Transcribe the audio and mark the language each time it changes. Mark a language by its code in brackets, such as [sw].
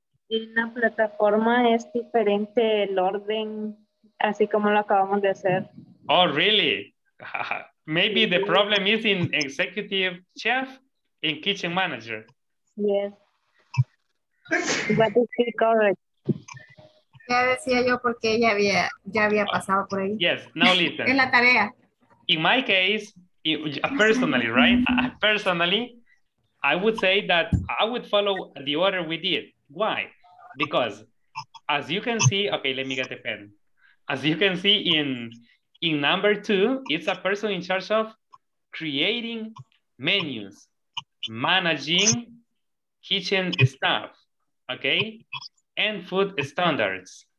[es] En la plataforma es diferente el orden, así como lo acabamos de hacer. [en] Oh, really? Maybe the problem is in executive chef and kitchen manager. Yes. What is the correct? [es] Ya decía yo porque ya había pasado por ahí. [en] Yes, now listen. [es] En la tarea. [en] In my case, personally, right? Personally, I would say that I would follow the order we did. Why? Because as you can see, okay, let me get the pen. As you can see in number two, it's a person in charge of creating menus, managing kitchen staff, okay, and food standards.